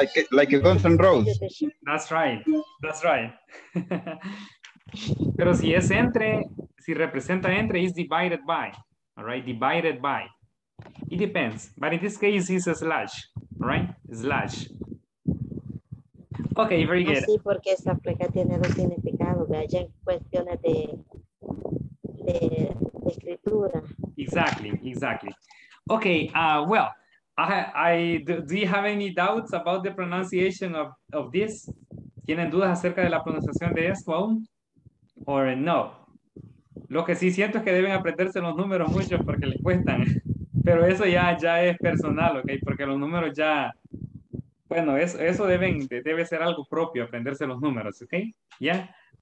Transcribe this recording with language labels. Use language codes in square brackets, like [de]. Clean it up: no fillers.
[en] Like a Guns N' Roses. That's right. That's right. [es] Pero si es entre, si representa entre, [en] is divided by. All right? Divided by. It depends, but in this case, it's a slash, right? Slash. Okay, very good. [es] Sí, porque esa fleca tiene dos significados, ¿verdad? Ya en cuestiones de escritura. [en] Exactly. Okay, well, do you have any doubts about the pronunciation of this? [es] ¿Tienen dudas acerca de la pronunciación de esto aún? [en] Or no? [es] Lo que sí siento es que deben aprenderse los números mucho porque les cuestan. Pero eso ya es personal, ¿ok? Porque los números ya... Bueno, eso debe ser algo propio, aprenderse los números, ¿ok? Yeah.